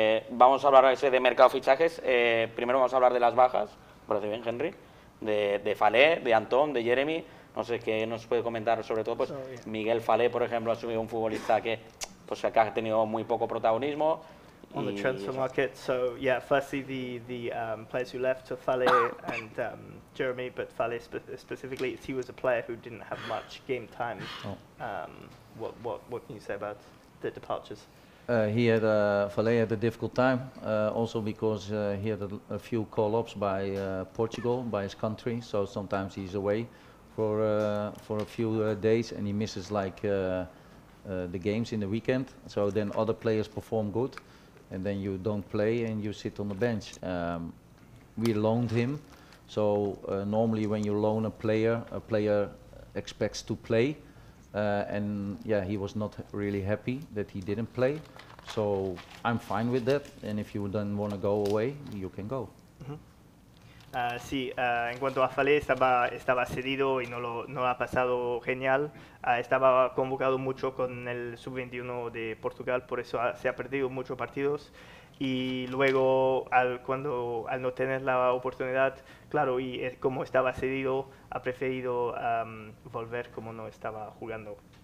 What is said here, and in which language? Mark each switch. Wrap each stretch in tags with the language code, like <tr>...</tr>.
<es>Vamos a hablar de mercado de fichajes. Primero vamos a hablar de las bajas, parece bien, Henry, de Falé, de Antón, de Jeremy. No sé qué nos puede comentar, sobre todo, pues Miguel Falé, por ejemplo, ha subido un futbolista que pues acá ha tenido muy poco protagonismo.</es> <en>On the transfer market, so yeah, firstly the players who left, so Falé and Jeremy, but Falé specifically, he was a player who didn't have much game time. Oh. What can you say about the departures? Falé had a difficult time, also because he had a few call-ups by Portugal, by his country, so sometimes he's away for a few days, and he misses like the games in the weekend, so then other players perform good and then you don't play and you sit on the bench. We loaned him, so normally when you loan a player expects to play, and yeah, he was not really happy that he didn't play, so I'm fine with that, and if you don't want to go away, you can go. Mm-hmm.</en> <es>Sí, en cuanto a Falé, estaba cedido y no ha pasado genial. Estaba convocado mucho con el sub-21 de Portugal, por eso se ha perdido muchos partidos. Y luego, al no tener la oportunidad, claro, y como estaba cedido, ha preferido volver como no estaba jugando.</es>